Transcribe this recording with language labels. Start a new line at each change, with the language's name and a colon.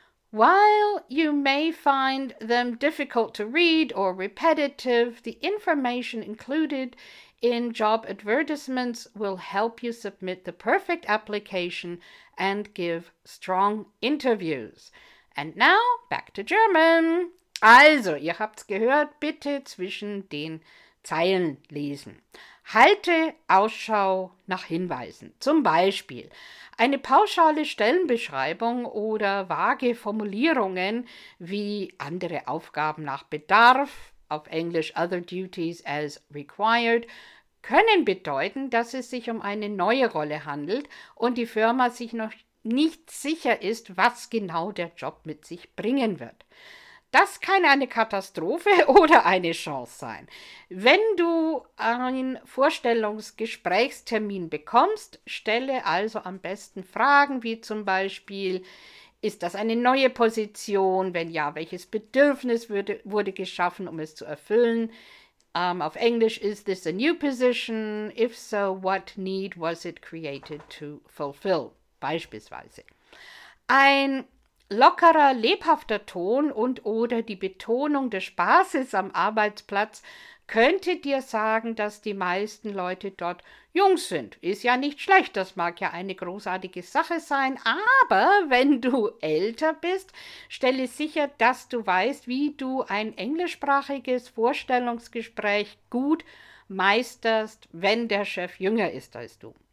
English: While you may find them difficult to read or repetitive, the information included in job advertisements will help you submit the perfect application and give strong interviews. And now back to German.
German: Also, ihr habt's gehört, bitte zwischen den Zeilen lesen. Halte Ausschau nach Hinweisen, zum Beispiel eine pauschale Stellenbeschreibung oder vage Formulierungen wie andere Aufgaben nach Bedarf, auf Englisch
English: other duties as required,
German: können bedeuten, dass es sich um eine neue Rolle handelt und die Firma sich noch nicht sicher ist, was genau der Job mit sich bringen wird. Das kann eine Katastrophe oder eine Chance sein. Wenn du einen Vorstellungsgesprächstermin bekommst, stelle also am besten Fragen wie zum Beispiel, ist das eine neue Position? Wenn ja, welches Bedürfnis wurde geschaffen, um es zu erfüllen? Auf Englisch,
English: is this a new position? If so, what need was it created to fulfill?
German: Beispielsweise. Ein lockerer, lebhafter Ton und oder die Betonung des Spaßes am Arbeitsplatz könnte dir sagen, dass die meisten Leute dort jung sind. Ist ja nicht schlecht, das mag ja eine großartige Sache sein, aber wenn du älter bist, stelle sicher, dass du weißt, wie du ein englischsprachiges Vorstellungsgespräch gut meisterst, wenn der Chef jünger ist als du.